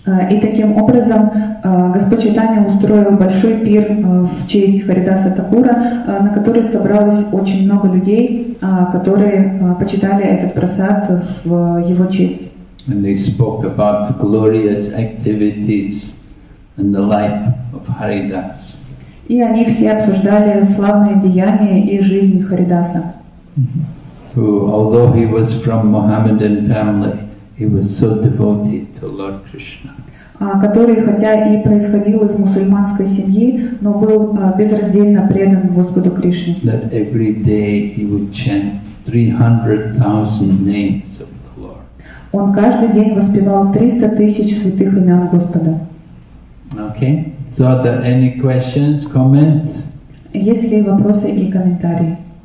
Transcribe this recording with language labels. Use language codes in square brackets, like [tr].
[ru] И таким образом Господь Чайтанья устроил большой пир в честь Харидаса Такура, на который собралось очень много людей, которые почитали этот просад в его честь. [en] And they spoke about the glorious activities and the life of Haridas. [ru] И они все обсуждали славные деяния и жизнь Харидаса. [en] Who, although he was from Mohammedan family, he was so devoted to Lord Krishna. [ru] Который, хотя и происходил из мусульманской семьи, но был безраздельно предан Господу Кришне. [en] That every day he would chant 300,000 names of the Lord. [ru] Он каждый день воспевал 300 тысяч святых имен Господа. [en] Okay. So are there any questions, comments? [ru] Есть ли вопросы и комментарии?